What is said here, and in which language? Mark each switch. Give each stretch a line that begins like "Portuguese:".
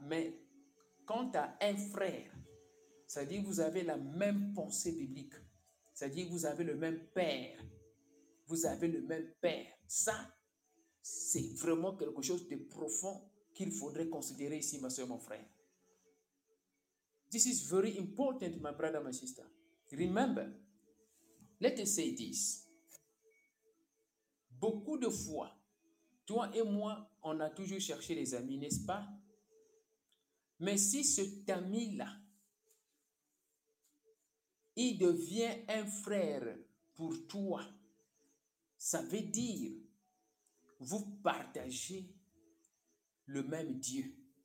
French: Mais quant à un frère, c'est-à-dire que vous avez la même pensée biblique. C'est-à-dire que vous avez le même père. Vous avez le même père. Ça, c'est vraiment quelque chose de profond qu'il faudrait considérer ici, ma soeur, mon frère.
English: This is very important, my brother, my sister. Remember, let us say this.
French: Beaucoup de fois, toi et moi, on a toujours cherché les amis, n'est-ce pas? Mais si cet ami-là, il devient un frère pour toi, ça veut dire vous partagez le même Dieu.